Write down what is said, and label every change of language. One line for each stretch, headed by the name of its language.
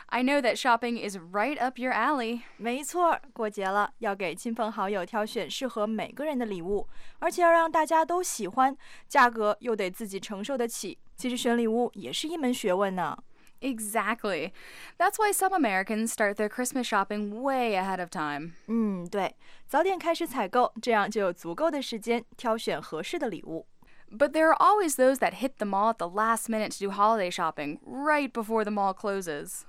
English: I know that shopping is right up your alley.
Chinese: 没错，过节了，要给亲朋好友挑选适合每个人的礼物，而且要让大家都喜欢，价格又得自己承受得起。其实选礼物也是一门学问呢。
English: Exactly. That's why some Americans start their Christmas shopping way ahead of time.
Chinese: 嗯，对，早点开始采购，这样就有足够的时间挑选合适的礼物。
English: But there are always those that hit the mall at the last minute to do holiday shopping, right before the mall closes.